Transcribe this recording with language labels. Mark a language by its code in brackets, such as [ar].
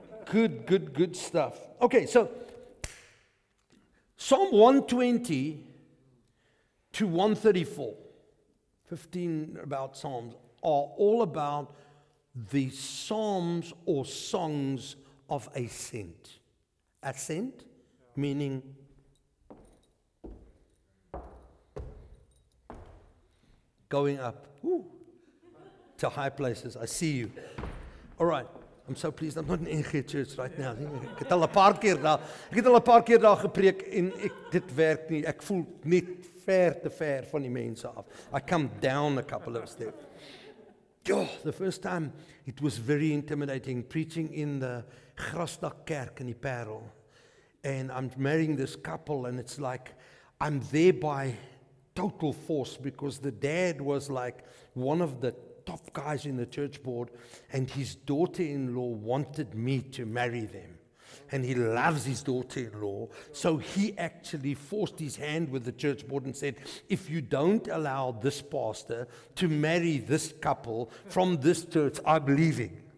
[en] Good, good, good stuff. Okay, so Psalm 120 to 134, 15 about Psalms, are all about the psalms or songs of ascent. Ascent, meaning going up. Ooh. To high places. I see you. All right. I'm so pleased. I'm not in NG Church right now. [af] Ek het al 'n paar keer daar gepreek en dit werk nie. Ek voel net ver te ver van die mense af. [en] I come down a couple of steps. The first time it was very intimidating preaching in the Grasdak Kerk in die Parel. And I'm marrying this couple and it's like I'm there by total force because the dad was like one of the top guys in the church board, and his daughter-in-law wanted me to marry them, and he loves his daughter-in-law, so he actually forced his hand with the church board and said, if you don't allow this pastor to marry this couple from this church, I'm leaving.